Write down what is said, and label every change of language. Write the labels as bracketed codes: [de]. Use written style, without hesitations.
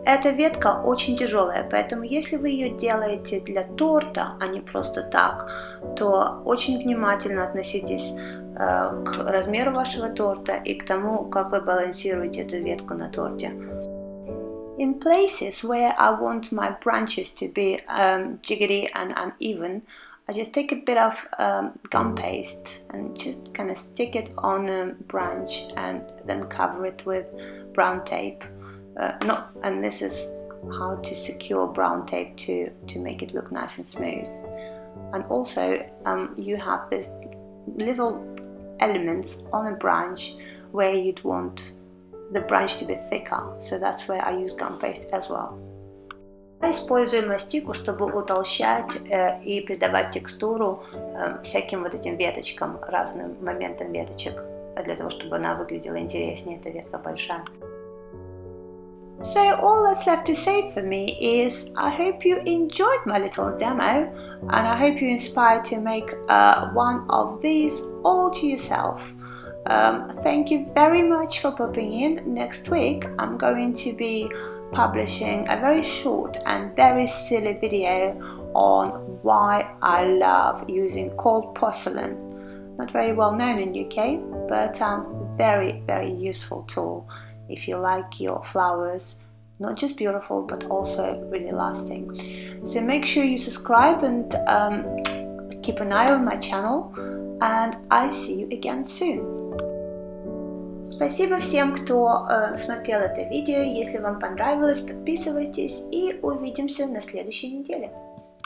[ru] Эта ветка очень тяжелая, поэтому если вы ее делаете для торта, а не просто так, то очень внимательно относитесь к размеру вашего торта и к тому, как вы балансируете эту ветку на торте. [en] In places where I want my branches to be jiggery and uneven, I just take a bit of gum paste and just kind of stick it on a branch and then cover it with brown tape. And this is how to secure brown tape to make it look nice and smooth. And also, you have this little elements on a branch where you'd want the branch to be thicker. So that's where I use gum paste as well. [ru] Я использую мастику, чтобы утолщать и придавать текстуру всяким вот этим веточкам, разным моментам веточек, для того, чтобы она выглядела интереснее, эта ветка большая. [en] So all that's left to say for me is I hope you enjoyed my little demo and I hope you're inspired to make one of these all to yourself. Thank you very much for popping in. Next week I'm going to be publishing a very short and very silly video on why I love using cold porcelain. Not very well known in UK, but very, very useful tool. If you like your flowers, not just beautiful, but also really lasting. So make sure you subscribe and keep an eye on my channel. And I see you again soon. [ru] Спасибо всем, кто смотрел это видео. Если вам понравилось, подписывайтесь и увидимся на следующей неделе.